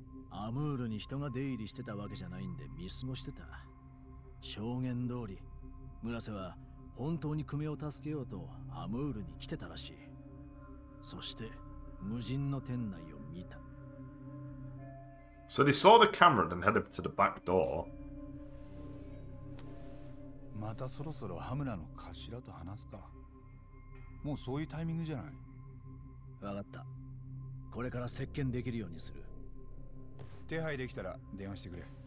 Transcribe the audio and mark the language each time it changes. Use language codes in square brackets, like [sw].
[ja] アムールに人が出入りしてたわけじゃないんで見過ごしてた。証言通り、村瀬は本当にクメを助けようとアムールに来てたらしい。そして無人の店内を見た。 [en] So they saw the camera and headed to the back door. ま [ja] またそろそろハムラの頭と話すか。もうそういうタイミングじゃない。わかった。これから接見できるようにする。手配できたら電話してくれ。